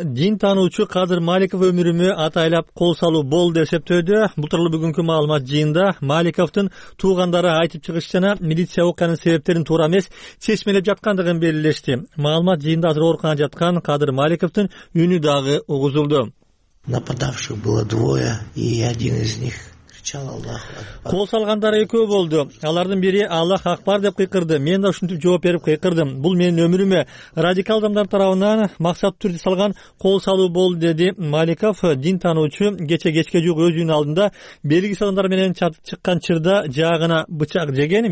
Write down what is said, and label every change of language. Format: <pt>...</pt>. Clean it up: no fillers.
<ky>Дин таануучу Кадыр Маликов өмүрүмө атайлап кол салуу бол деп эсептөөдө. Бутурлу бүгүнкү маалымат жыйында Маликовдун туугандары айтып чыгыш жана милиция окуянын себептерин туура эмес чечмелеп жаткандыгын белгилешти. Маалымат жыйында азыр ооруканада жаткан Кадыр Маликовдун үнү дагы угузулду.</ky> <ru>Нападавших было двое, и один из них кричал «Аллах Акбар».</ru> <ky>Кол салгандары экөө болду. Алардын бири «Аллах Акбар» деп кыйкырды. Мен да ушинтип жооп берип кыйкырдым. Бул менин өмүрүмө радикал адамдар тарабынан максаттуу түрдө салган кол салуу болду, деди Маликов. Дин таануучу кече кечке жуук өз үйүнүн алдында белгисиз адамдар менен чатып чыккан чырда жаагына бычак жеген.</ky>